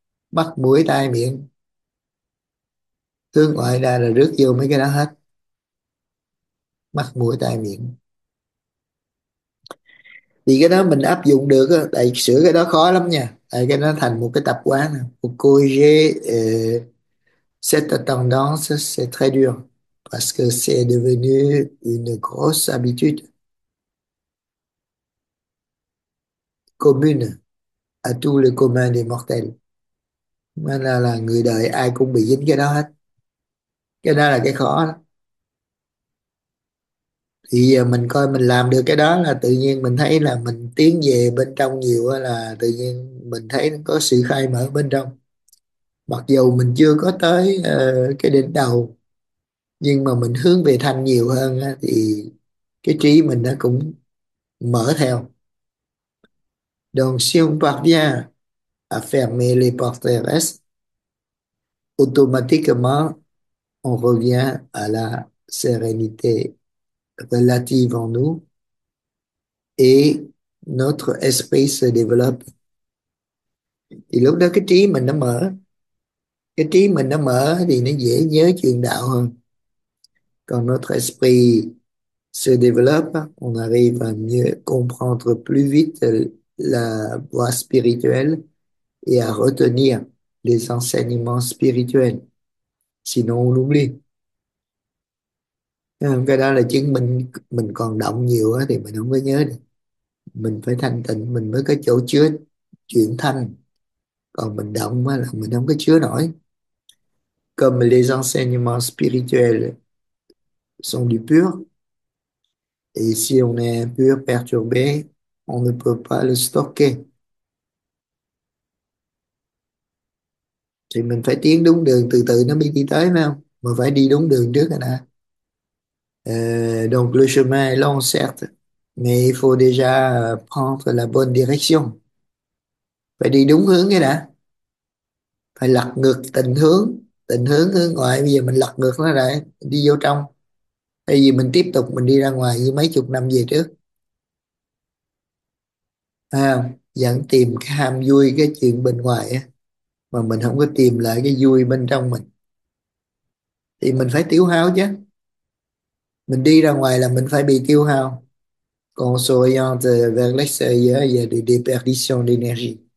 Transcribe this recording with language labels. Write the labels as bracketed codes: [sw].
[vi] Mắt, mũi, tai, miệng. Hướng ngoại ra là rước vô mấy cái đó hết. Mắt, mũi, tai, miệng. Thì cái đó mình áp dụng được, tại sửa cái đó khó lắm nha. Tại cái nó thành một cái tập quán. [fr] Pour corriger cette tendance, c'est très dur. Parce que c'est devenu une grosse habitude commune à tout le commun des mortels. [vi] Nên là người đời ai cũng bị dính cái đó hết. Cái đó là cái khó đó. Thì giờ mình coi mình làm được cái đó là tự nhiên mình thấy là mình tiến về bên trong nhiều, là tự nhiên mình thấy nó có sự khai mở bên trong. Mặc dù mình chưa có tới cái đỉnh đầu, nhưng mà mình hướng về thanh nhiều hơn á, thì cái trí mình nó cũng mở theo. [fr] Donc si on parvient à fermer les portes terrestres, automatiquement on revient à la sérénité relative en nous et notre esprit se développe. [vi] Thì lúc đó cái trí mình nó mở. Cái trí mình nó mở thì nó dễ nhớ chuyện đạo hơn. Còn [fr] notre esprit se développe, on arrive à mieux comprendre plus vite la voie spirituelle et à retenir les enseignements spirituels. Sinon, on oublie. [vi] Cái đó là chứng minh mình còn động nhiều thì mình không có nhớ được. Mình phải thanh tịnh, mình mới có chỗ chứa chuyện thanh. Còn mình động là mình không có chứa nổi. [fr] Comme les enseignements spirituels sont du pur, et si on est un pur perturbé, on ne peut pas le stocker. [vi] Thì mình phải tiến đúng đường, từ từ nó mới đi tới, phải không? Mà phải đi đúng đường trước rồi nè. [fr] Donc le chemin est long, certes, mais il faut déjà prendre la bonne direction. [vi] Phải đi đúng hướng cái đã. Phải lật ngược tình hướng hướng ngoại. Bây giờ mình lật ngược nó lại, đi vô trong. Tại vì mình tiếp tục mình đi ra ngoài như mấy chục năm về trước. À, vẫn tìm cái ham vui cái chuyện bên ngoài á, mà mình không có tìm lại cái vui bên trong mình. Thì mình phải tiêu hao chứ. Mình đi ra ngoài là mình phải bị tiêu hao. Còn [fr] soyant vers l'extérieur, il y a des déperditions d'énergie.